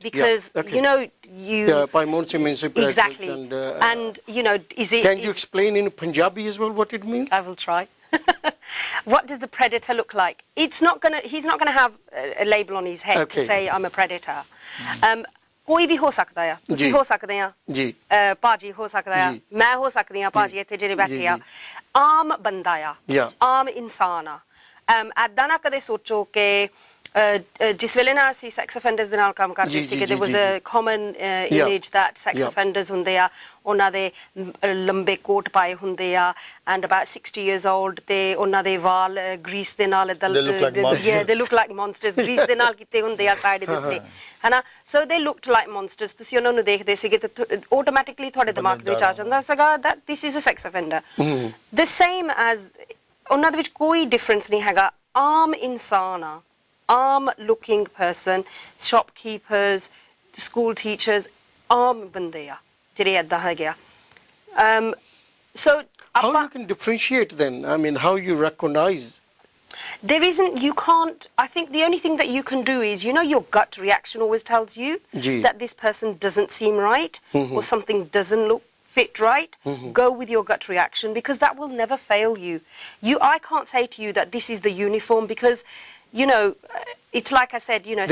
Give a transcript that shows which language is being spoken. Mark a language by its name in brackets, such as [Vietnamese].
[English] Because you know, you by Monsi means exactly, and you know, is it, can you explain in Punjabi as well what it means? I will try. What does the predator look like? He's not going to have a label on his head to say, I'm a predator. [Punjabi] ਕੋਈ ਵੀ ਹੋ ਸਕਦਾ ਆ ਤੁਸੀਂ ਹੋ ਸਕਦੇ ਆ ਜੀ ਭਾਜੀ ਹੋ ਸਕਦਾ ਆ ਮੈਂ ਹੋ ਸਕਦੀ ਆ ਭਾਜੀ ਇੱਥੇ ਜਿਹੜੇ ਬੈਠੇ ਆ ਆਮ ਬੰਦਾ ਆ ਆਮ ਇਨਸਾਨ ਆ ਐਦਾਂ ਨਾ ਕਦੇ ਸੋਚੋ ਕਿ ਜਿਸ ਵੇਲੇ ਨਾ ਅਸੀਂ ਸੈਕਸ ਅਫੈਂਡਰਸ ਦੇ ਨਾਲ ਕੰਮ ਕਰਦੇ ਸੀਗੇ [English] there was a common image that [Punjabi] ਸੈਕਸ ਅਫੈਂਡਰਸ ਹੁੰਦੇ ਆ ਉਹਨਾਂ ਦੇ ਲੰਬੇ ਕੋਟ ਪਾਏ ਹੁੰਦੇ ਆ [English] and about 60 years old [Punjabi] ਤੇ ਉਹਨਾਂ ਦੇ ਵਾਲ ਗਰੀਸ ਦੇ ਨਾਲ [English] they look like monsters [Punjabi] ਗਰੀਸ ਦੇ ਨਾਲ ਕੀਤੇ ਹੁੰਦੇ ਆ ਸਾਈਡ ਦੇ ਉੱਤੇ ਹਨਾ [English] so they looked like monsters [Punjabi] ਤੁਸੀਂ ਉਹਨਾਂ ਨੂੰ ਦੇਖਦੇ ਸੀਗੇ ਤੇ ਆਟੋਮੈਟਿਕਲੀ ਤੁਹਾਡੇ ਦਿਮਾਗ ਦੇ ਵਿੱਚ ਆ ਜਾਂਦਾ ਸੀਗਾ [English] that this is a sex offender the same as [Punjabi] ਉਹਨਾਂ ਦੇ ਵਿੱਚ ਕੋਈ ਡਿਫਰੈਂਸ ਨਹੀਂ ਹੈਗਾ ਆਮ ਇਨਸਾਨ ਆ ਆਮ [English] looking person shopkeepers school teachers [Punjabi] ਆਮ ਬੰਦੇ ਆ ਜਿਹੜੇ ਏਦਾਂ ਹੈਗੇ ਆ so [English] How you can differentiate then I mean how you recognise There isn't, you can't, I think the only thing that you can do is, you know, your gut reaction always tells you that this person doesn't seem right or something doesn't look fit right. Go with your gut reaction because that will never fail you. I can't say to you that this is the uniform because, you know, it's like I said, you know,